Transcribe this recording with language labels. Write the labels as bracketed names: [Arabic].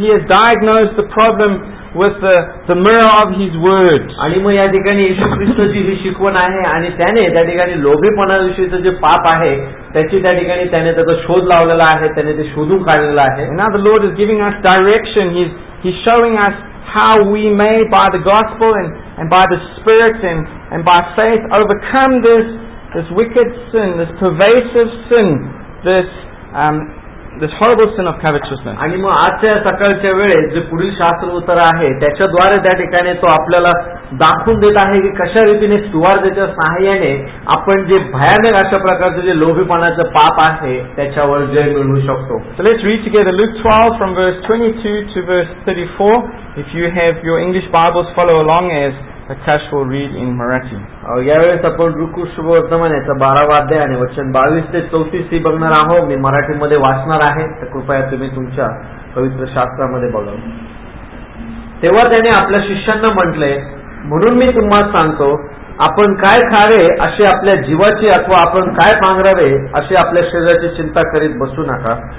[English] He has diagnose the problem with the mirror of his word. [Marathi] आणि मग या ठिकाणी येशू ख्रिस्ताची ही शिकवण आहे आणि त्याने त्या ठिकाणी लोभेपणाविषयीचं जे पाप आहे त्याची त्या ठिकाणी त्याने त्याचा शोध लावलेला आहे, त्याने ते शोधून काढलेलं आहे. [English] Now the Lord is giving us direction. He's showing us how we may by the gospel and by the spirit and by faith overcome this wicked sin, this pervasive sin, this horrible sin of covetousness. [Marathi] आणि मग आजच्या सकाळच्या वेळेस जे पुढील शास्त्र उत्तर आहे त्याच्याद्वारे त्या ठिकाणी तो आपल्याला दाखवून देत आहे की कशा रीतीने सुवार्थाच्या सहाय्याने आपण जे भयानक अशा प्रकारचं जे लोभीपणाचं पाप आहे त्याच्यावर जय मिळवू शकतो. [English] Let's read together Luke 12 from verse 22 to verse 34. If you have your English Bibles, follow along as Akash will read in Marathi. [Marathi] यावेळेस आपण ऋकुश्व वर्तमान याचा 12वा अध्याय आणि वचन 22 ते 34 ही बघणार आहोत. मी मराठीमध्ये वाचणार आहे, तर कृपया तुम्ही तुमच्या पवित्र शास्त्रामध्ये बघा. तेव्हा त्याने आपल्या शिष्यांना म्हटले, म्हणून मी तुम्हाला सांगतो, आपण काय खावे असे आपल्या जीवाची अथवा आपण काय पांघरावे असे आपल्या शरीराची चिंता करीत बसू नका.